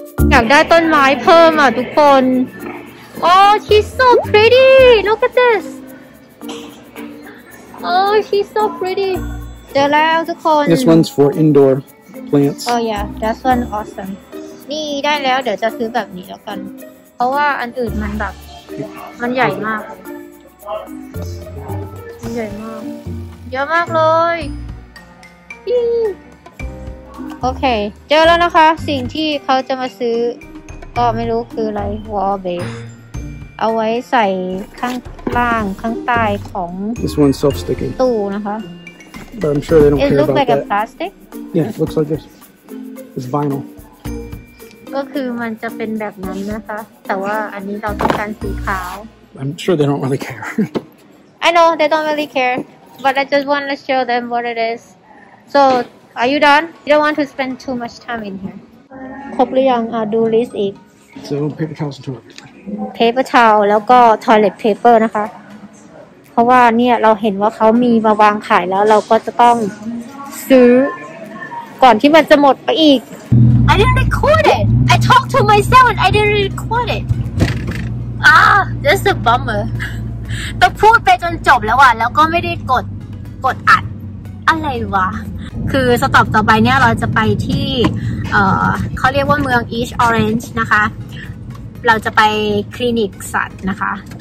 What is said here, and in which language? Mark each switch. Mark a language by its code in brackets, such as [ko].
[th] อยากได้ต้นไม้เพิ่มอ่ะทุกคนโอ้ [en] she's so pretty look at this oh she's so pretty [th] เจอแล้วทุกคน [en] this one's for indoor plants oh yeah that's one awesome [th] นี่ได้แล้วเดี๋ยวจะซื้อแบบนี้แล้วกันเพราะว่าอันอื่นมันแบบมันใหญ่มากใหญ่มากเยอะมากเลยโอเคเจอแล้วนะคะสิ่งที่เขาจะมาซื้อก็ไม่รู้คืออะไร wall base เอาไว้ใส่ข้างล่างข้างใต้ของ [en] this one soft sticking [th] ตู้นะคะ [en] but I'm sure they don't it looks like a plastic yeah it looks like this it's vinyl [th] ก็คือมันจะเป็นแบบนั้นนะคะแต่ว่าอันนี้เราต้องการสีขาว [en] I'm sure they don't really care I know they don't really care but I just want to show them what it is soAre you done? You don't want to spend too much time in here. [th] ครบหรือยังดูลิสต์อีก [en] So paper towels and toilet paper. [th] Paper towel แล้วก็ toilet paper นะคะเพราะว่าเนี่ยเราเห็นว่าเขามีมาวางขายแล้วเราก็จะต้องซื้อก่อนที่มันจะหมดไปอีก [en] I didn't record it. I talked to myself and I didn't record it. That's a bummer. [th] ต้องพูดไปจนจบแล้วอ่ะแล้วก็ไม่ได้กดอัดอะไรวะคือสต็อปต่อไปเนี่ยเราจะไปที่เขาเรียกว่าเมือง East Orange นะคะเราจะไปคลินิกสัตว์นะคะ